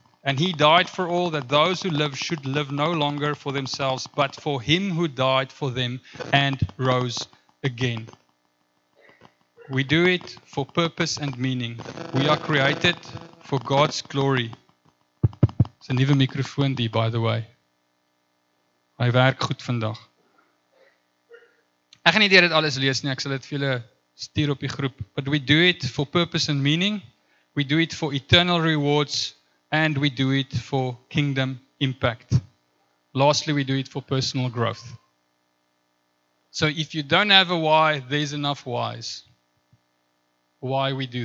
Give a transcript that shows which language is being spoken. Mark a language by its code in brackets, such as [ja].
[en] And he died for all, that those who live should live no longer for themselves, but for him who died for them and rose again. We do it for purpose and meaning. We are created for God's glory. It's a new microphone, die, by the way. [af] Hy werk goed vandag. Ek gaan nie dit alles lees nie, ek sal dit vir julle stuur op die groep. [en] But we do it for purpose and meaning. We do it for eternal rewards. And we do it for kingdom impact. Lastly, we do it for personal growth. So if you don't have a why, there's enough whys. Why we do.